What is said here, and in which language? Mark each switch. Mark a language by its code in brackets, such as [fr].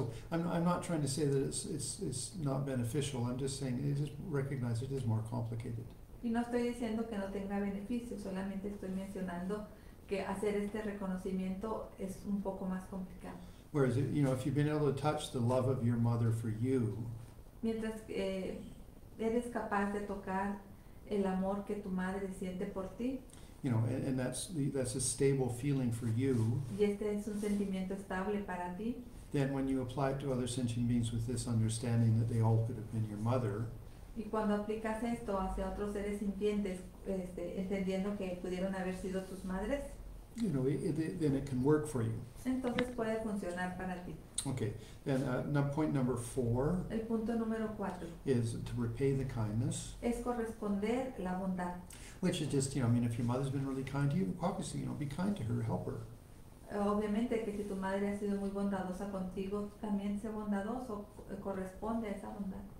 [en] I'm not trying to say that it's not beneficial. I'm just saying it is recognized. It is more complicated. [es] Y no estoy diciendo que no tenga beneficio. Solamente estoy mencionando que hacer este reconocimiento es un poco más complicado. [en] Whereas, you know, if you've been able to touch the love of your mother for you. [es] mientras eres capaz de tocar el amor que tu madre siente por ti. [en] You know, and that's a stable feeling for you. [es] Y este es un sentimiento estable para ti. [en] Then when you apply it to other sentient beings with this understanding that they all could have been your mother. [es] Y cuando aplicas esto hacia otros seres sintientes, entendiendo que pudieron haber sido tus madres. [en] You know, then it can work for you. [es] Entonces puede funcionar para ti. [en] Okay, then point number four. [es] El punto número cuatro. [en] Is to repay the kindness. [es] Es corresponder la bondad. [en] Which is just, you know, I mean, if your mother's been really kind to you, obviously, you know, be kind to her, help her. [es] Obviamente que si tu madre ha sido muy bondadosa contigo, también sé bondadoso, corresponde a esa bondad.